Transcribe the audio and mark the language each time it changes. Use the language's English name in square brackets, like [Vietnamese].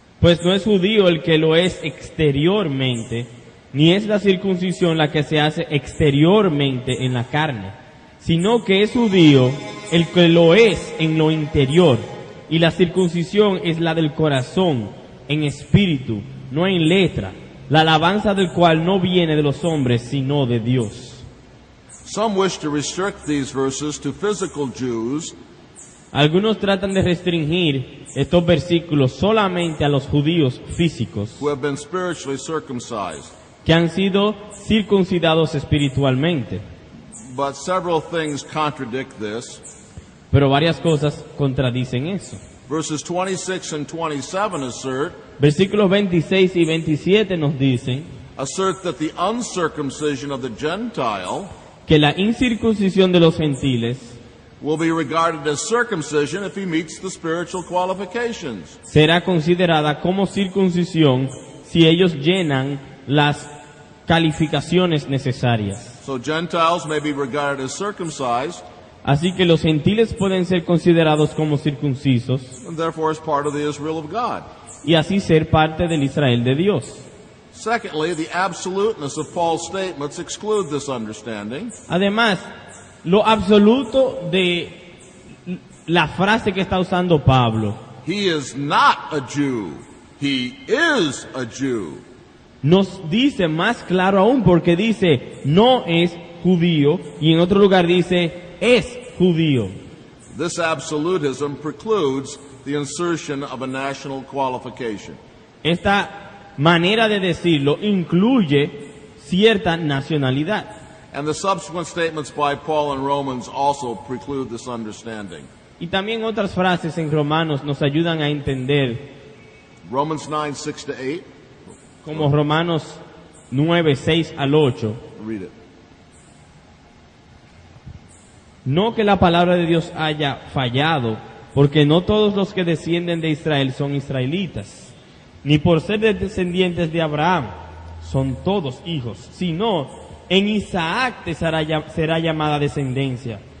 [Spanish] Pues no es judío el que lo es exteriormente, ni es la circuncisión la que se hace exteriormente en la carne, sino que es judío el que lo es en lo interior, y la circuncisión es la del corazón, en espíritu, no en letra, la alabanza del cual no viene de los hombres, sino de Dios. [English] Some wish to restrict these verses to physical Jews. [Spanish] Algunos tratan de restringir estos versículos solamente a los judíos físicos [English] who have been spiritually circumcised. [Spanish] Que han sido circuncidados espiritualmente. [English] But several things contradict this. [Spanish] Pero varias cosas contradicen eso. [English] Verses 26 and 27 assert. [Spanish] Versículos 26 y 27 nos dicen. [English] Assert that the uncircumcision of the Gentile. [Spanish] Que la incircuncisión de los gentiles. [English] Will be regarded as circumcision if he meets the spiritual qualifications. [Spanish] Será considerada como circuncisión si ellos llenan las calificaciones necesarias. [English] So Gentiles may be regarded as circumcised. [Spanish] Así que los gentiles pueden ser considerados como circuncisos. [English] And therefore as part of the Israel of God. [Spanish] Y así ser parte del Israel de Dios. [English] Secondly, the absoluteness of Paul's statements exclude this understanding. [Spanish] Además, lo absoluto de la frase que está usando Pablo. [English] He is not a Jew. He is a Jew. [Spanish] Nos dice más claro aún porque dice no es judío y en otro lugar dice es judío. [English] This absolutism precludes the insertion of a national qualification. [Spanish] Esta manera de decirlo incluye cierta nacionalidad. [English] And the subsequent statements by Paul in Romans also preclude this understanding. [Spanish] Y también otras frases en Romanos nos ayudan a entender. [English] Romans 9, 6 to 8. [Spanish] Como Romanos 9, 6 al 8. [English] Read it. [Spanish] No que la palabra de Dios haya fallado, porque no todos los que descienden de Israel son israelitas, ni por ser descendientes de Abraham son todos hijos, sino en Isaac te será llamada descendencia.